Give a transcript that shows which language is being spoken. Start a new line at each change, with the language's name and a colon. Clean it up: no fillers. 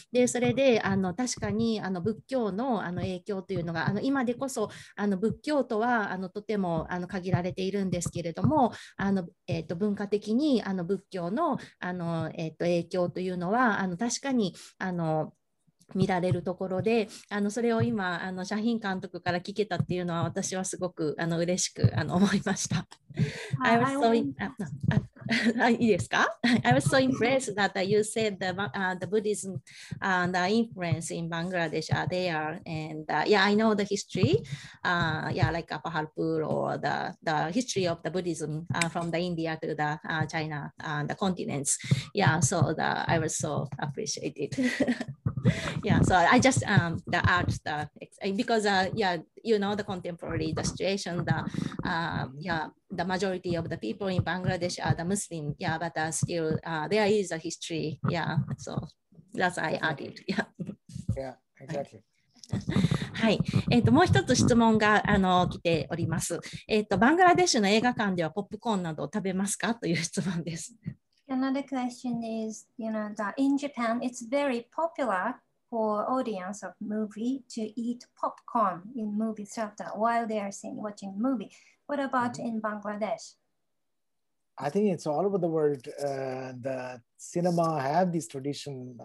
Japanese: でそれで確かに仏教 の, 影響というのが今でこそ仏教とはとても限られているんですけれども、文化的に仏教 の, 影響というのは確かに見られるところで、それを今シャヒン監督から聞けたっていうのは私はすごく嬉しく思いました。
English: I was so in,
Japanese: いいですか
English: ？I was so impressed that you said the Buddhism and the influence in Bangladesh are there and yeah I know the history yeah like Pahalpur or the history of the Buddhism from the India to the China and the continents yeah so the I was so appreciated. Yeah, so I just asked because yeah, you know the contemporary the situation, the yeah, the majority of the people in Bangladesh are the Muslim, yeah, but still there is a history, yeah. So that's I added, yeah. Yeah, exactly.
Japanese: はい、もう一つ質問が来ております。バングラデシュの映画館ではポップコーンなどを食べますかという質問です。
English: Another question is, you know, that in Japan, it's very popular for audience of movie to eat popcorn in movie theater while they are watching movie. What about in Bangladesh? I think it's all over the world. The cinema have this tradition.